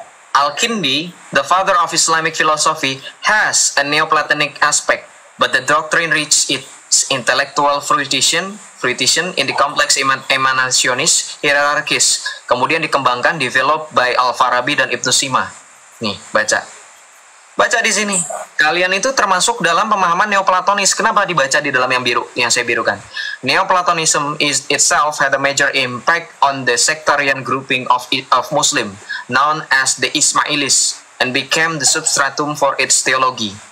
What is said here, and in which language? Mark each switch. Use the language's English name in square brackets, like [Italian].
[English] Al-Kindi, the father of Islamic philosophy, has a Neoplatonic aspect, but the doctrine reached its intellectual fruition in the complex emanationist hierarchies, [Indonesian] kemudian dikembangkan, [English] developed by Al-Farabi dan Ibn Sina. [Indonesian] Nih, baca. Baca di sini. Kalian itu termasuk dalam pemahaman Neoplatonis. Kenapa dibaca di dalam yang biru, yang saya birukan? [English] Neoplatonism is itself had a major impact on the sectarian grouping of Muslim, known as the Ismailis, and became the substratum for its theology.